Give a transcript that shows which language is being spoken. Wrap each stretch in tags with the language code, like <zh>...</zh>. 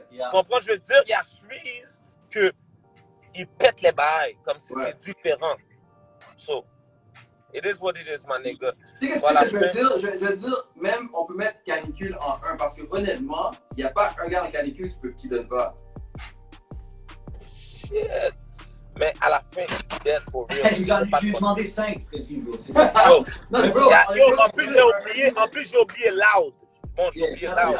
<fr>Comprends, je veux dire, il y a Shreeze que il pète les bails comme si c'est différent.</fr> <en>So, it is what it is, my nigga.</en> <fr>Je veux dire, même on peut mettre Canicule en un parce que honnêtement, il n'y a pas un gars dans Canicule qui donne pas.</fr> <en>Shit.</en> <fr>Mais à la fin, fidèle pour real. J'ai demandé 5, Freddy, bro. C'est ça. Non, bro. En plus, j'ai oublié Loud. Bon, j'ai oublié Loud.</fr>